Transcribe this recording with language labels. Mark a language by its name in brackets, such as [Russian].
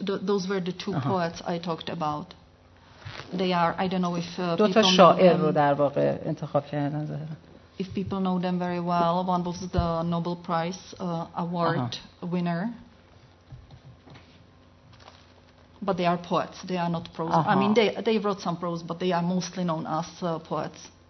[English] Those were the two poets I talked about. They are, I don't know if [Persian] دو تا شاعر رو در واقع انتخاب کردن ظاهرا. [English] If people know them very well, one was the Nobel Prize award winner. But they are poets. They are not prose. Uh-huh. I mean, they wrote some prose, but they are mostly known as poets.